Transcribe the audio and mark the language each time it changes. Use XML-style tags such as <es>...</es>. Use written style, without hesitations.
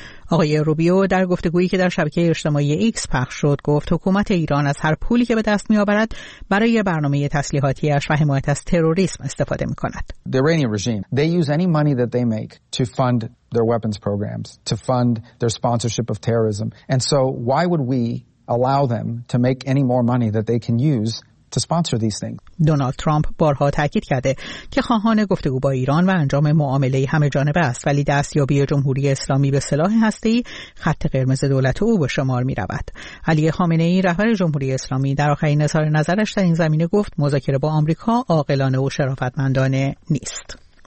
<fa>آقای روبیو در گفتگویی که در شبکه اجتماعی ایکس پخش شد گفت حکومت ایران از هر پولی که به دست می‌آورد برای برنامه تسلیحاتیش و حمایت از تروریسم استفاده می‌کند.</fa> <en>The Iranian regime, they use any money that they make to fund their weapons programs, to fund their sponsorship of terrorism. And so why would we allow them to make any more money that they can use to sponsor these things.</en> <fa>دونالد ترامپ بارها تاکید کرده که خواهان گفتگو با ایران و انجام معامله همه جانبه است، ولی دستیابی جمهوری اسلامی به سلاح هسته‌ای خط قرمز دولت او به شمار می‌رود. علی خامنه ای رهبر جمهوری اسلامی در آخرین اظهار نظرش در این زمینه گفت مذاکره با آمریکا عاقلانه و شرافتمندانه نیست.</fa>